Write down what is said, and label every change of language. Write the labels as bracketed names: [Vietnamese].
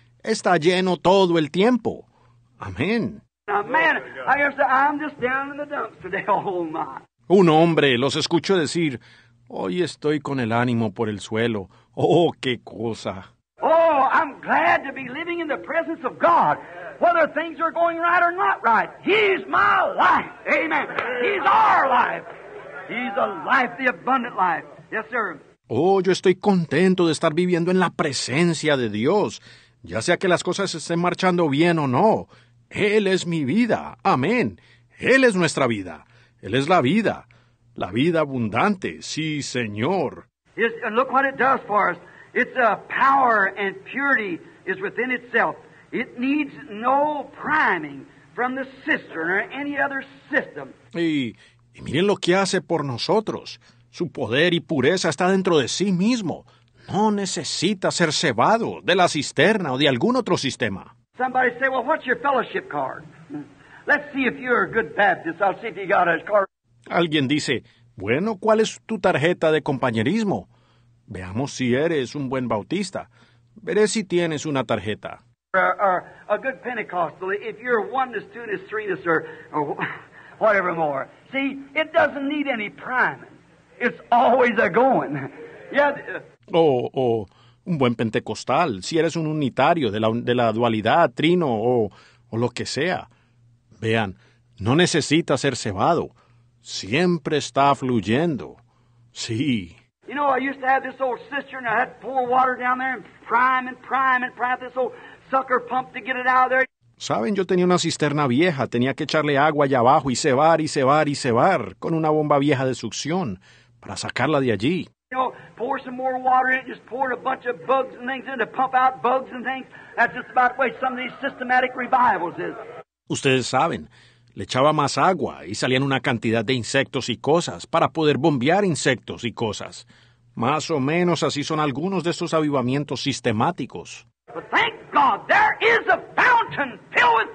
[Spanish] Está lleno todo el tiempo. Amén. [English] Amen. I guess I'm just down in the dumps today. Oh my. [Spanish] Un hombre los escucho decir, hoy estoy con el ánimo por el suelo. Oh, qué cosa. [English] Oh, I'm glad to be living in the presence of God. Whether things are going right or not right, He's my life. Amen. He's our life. He's the life, the abundant life. Yes, sir. [Spanish] Oh, yo estoy contento de estar viviendo en la presencia de Dios, ya sea que las cosas estén marchando bien o no. Él es mi vida. Amén. Él es nuestra vida. Él es la vida abundante. Sí, Señor. [English] Yes, and look what it does for us. It's a power and purity is within itself. It needs no priming from the cistern or any other system. [Spanish] Y miren lo que hace por nosotros. Su poder y pureza está dentro de sí mismo. No necesita ser cebado de la cisterna o de algún otro sistema. [English] Somebody say, well, what's your fellowship card? Let's see if you're a good Baptist. I'll see if you got a card. [Spanish] Alguien dice, bueno, ¿cuál es tu tarjeta de compañerismo? Veamos si eres un buen bautista. Veré si tienes una tarjeta. [English] Or a good Pentecostal, if you're oneness, two-ness, three-ness, or whatever more. See, it doesn't need any priming. It's always a going. Yeah. [Spanish] O un buen Pentecostal, si eres un unitario de la dualidad, trino, o lo que sea. Vean, no necesita ser cebado. Siempre está fluyendo. Sí. [English] You know, I used to have this old cistern. I had to pour water down there and prime and prime and prime this old sucker pump to get it out of there. [Spanish] Saben, yo tenía una cisterna vieja. Tenía que echarle agua allá abajo y cebar con una bomba vieja de succión para sacarla de allí. [English] You know, pour some more water in it, just pour a bunch of bugs and things in to pump out bugs and things. That's just about the way some of these systematic revivals is. [Spanish] Ustedes saben, le echaba más agua y salían una cantidad de insectos y cosas para poder bombear insectos y cosas. Más o menos así son algunos de estos avivamientos sistemáticos. [English] But thank God, there is a fountain filled with